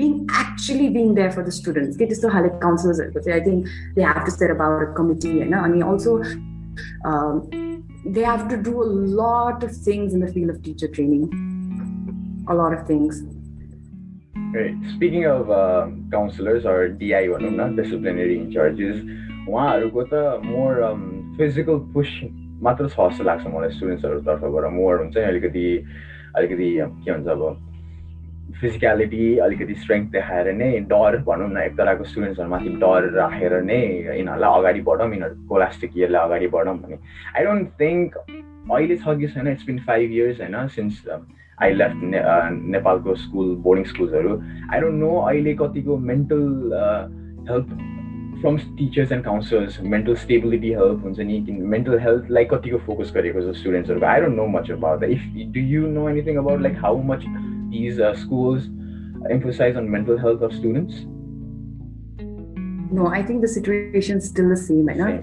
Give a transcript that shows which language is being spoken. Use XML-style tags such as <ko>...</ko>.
<en>Actually being there for the students, okay? So, like counselors, I think they have to set about a committee, you know? And also, they have to do a lot of things in the field of teacher training. A lot of things. Right. Speaking of counselors or DI, disciplinary in charges,</en> <ne>उहाँहरूको त more physical push मात्र छ जस्तो लाग्छ मलाई स्टुडेन्ट्सहरू तर्फबाट more हुन्छ नि अलिकति के भन्छ अब फिजिकलिटी अलिकति स्ट्रेङ्थ देखाएर नै डर भनौँ न एक तराको स्टुडेन्ट्सहरूमाथि डर राखेर नै यिनीहरूलाई अगाडि बढौँ यिनीहरू कोलास्टिक इयरलाई अगाडि बढौँ भने</ne> <en>I don't think</en> <ne>अहिले छ कि छैन</ne> <en>it's been 5 years</en> <ne>होइन</ne> <en>since I left</en> <ne>नेपालको school boarding स्कुल्सहरू</ne> <en>I don't know</en> <ne>अहिले कतिको mental</ne> <en>help from teachers and counsellors mental stability help</en> <ne>हुन्छ नि किन मेन्टल हेल्थलाई कतिको फोकस गरेको छ स्टुडेन्ट्सहरूको</ne> <en>I don't know much about the if do you know anything about like how much these schools emphasize on mental health of students? No, I think the situation is still the same, right?</en>